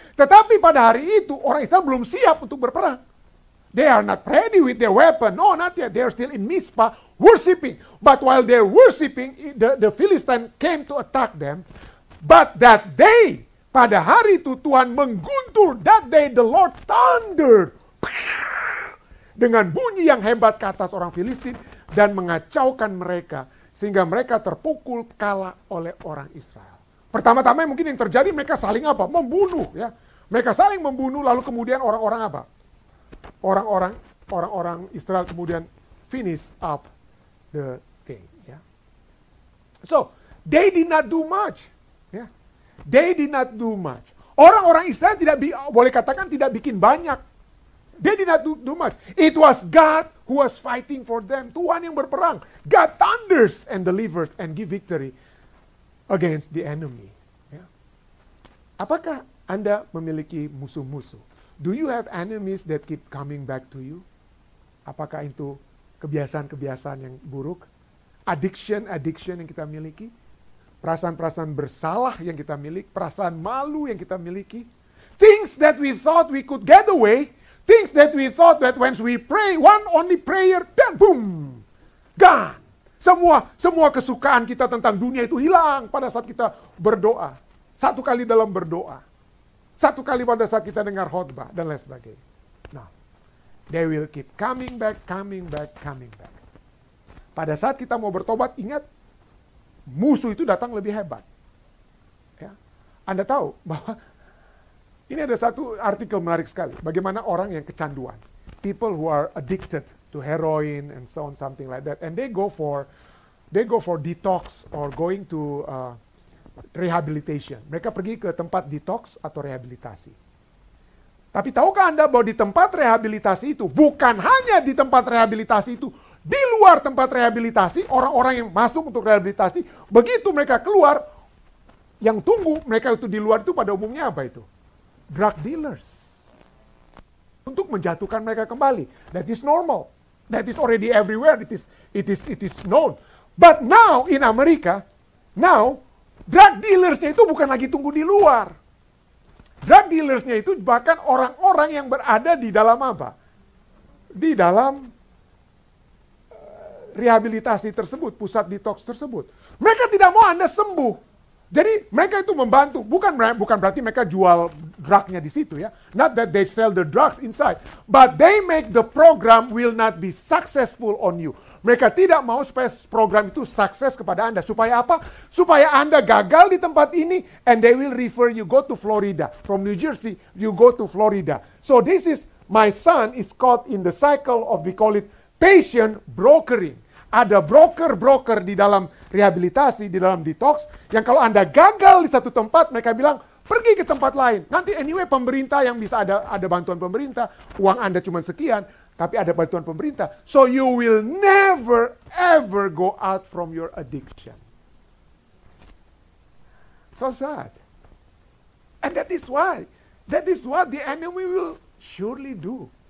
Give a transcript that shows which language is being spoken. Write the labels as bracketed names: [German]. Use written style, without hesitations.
[Indonesian] Tetapi pada hari itu, orang Israel belum siap untuk berperang. [English] They are not ready with their weapon. No, not yet. They are still in Mizpah worshiping. But while they're worshiping, the Philistine came to attack them. But that day, [Indonesian] pada hari itu, Tuhan mengguntur. [English] That day, the Lord thundered. [Indonesian] Dengan bunyi yang hebat ke atas orang Filistin. Dan mengacaukan mereka. Sehingga mereka terpukul kalah oleh orang Israel. Pertama-tama mungkin yang terjadi mereka saling apa? Membunuh ya. Mereka saling membunuh lalu kemudian orang-orang apa? Orang-orang Israel kemudian [English] finish up the thing [Indonesian] ya. [English] So, they did not do much. Ya. They did not do much. [Indonesian] Orang-orang Israel tidak bikin banyak. [English] They did not do much. It was God who was fighting for them. [Indonesian] Tuhan yang berperang. [English] God thunders and delivers and give victory against the enemy. Yeah. [Indonesian] Apakah Anda memiliki musuh-musuh? [English] Do you have enemies that keep coming back to you? [Indonesian] Apakah itu kebiasaan-kebiasaan yang buruk? Addiction yang kita miliki? Perasaan-perasaan bersalah yang kita miliki? Perasaan malu yang kita miliki? [English] Things that we thought we could get away? Things that we thought that once we pray, one only prayer, then boom! Gone! [Indonesian] Semua kesukaan kita tentang dunia itu hilang pada saat kita berdoa. Satu kali dalam berdoa. Satu kali pada saat kita dengar khotbah dan lain sebagainya. [English] Now, they will keep coming back, coming back, coming back. [Indonesian] pada saat kita mau bertobat, ingat, musuh itu datang lebih hebat. Ya. Anda tahu bahwa ini ada satu artikel menarik sekali. Bagaimana orang yang kecanduan. [English] People who are addicted to heroin and so on, something like that. And they go for detox or going to rehabilitation. [Indonesian] Mereka pergi ke tempat detox atau rehabilitasi. Tapi tahukah Anda bahwa di tempat rehabilitasi itu, bukan hanya di tempat rehabilitasi itu, di luar tempat rehabilitasi, orang-orang yang masuk untuk rehabilitasi, begitu mereka keluar, yang tunggu mereka itu di luar itu pada umumnya apa itu? [English] Drug dealers. [Indonesian] Untuk menjatuhkan mereka kembali. [English] That is normal. That is already everywhere. It is known. But now in America, now [Indonesian] drug dealersnya itu bukan lagi tunggu di luar. Drug dealersnya itu bahkan orang-orang yang berada di dalam apa? Di dalam rehabilitasi tersebut, pusat detox tersebut. Mereka tidak mau Anda sembuh. Jadi mereka itu membantu, bukan berarti mereka jual drugnya di situ ya. [English] Not that they sell the drugs inside, but they make the program will not be successful on you. [Indonesian] Mereka tidak mau supaya program itu sukses kepada Anda. Supaya apa? Supaya Anda gagal di tempat ini, [English] and they will refer you go to Florida. From New Jersey, you go to Florida. So this is, my son is caught in the cycle of, we call it patient brokering. [Indonesian] Ada broker-broker di dalam rehabilitasi, di dalam detox, yang kalau Anda gagal di satu tempat, mereka bilang, pergi ke tempat lain. Nanti anyway pemerintah yang bisa ada bantuan pemerintah, uang Anda cuma sekian, tapi ada bantuan pemerintah. [English] So you will never ever go out from your addiction. So sad. And that is what the enemy will surely do.